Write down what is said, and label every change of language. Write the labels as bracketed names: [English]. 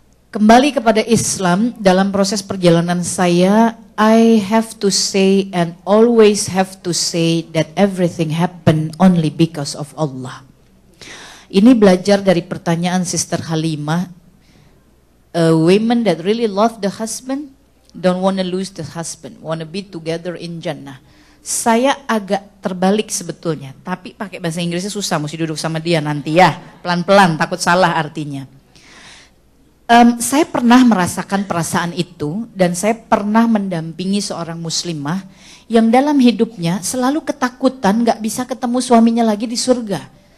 [Indonesian] Kembali kepada Islam, dalam proses perjalanan saya, [English] I have to say and always have to say that everything happened only because of Allah. [Indonesian] Ini belajar dari pertanyaan Sister Halimah. [English] A woman that really love the husband, don't want to lose the husband, want to be together in Jannah. [Indonesian] Saya agak terbalik sebetulnya, tapi pakai bahasa Inggrisnya susah, mesti duduk sama dia nanti ya. Pelan-pelan, takut salah artinya. Saya pernah merasakan perasaan itu, dan saya pernah mendampingi seorang muslimah yang dalam hidupnya selalu ketakutan gak bisa ketemu suaminya lagi di surga.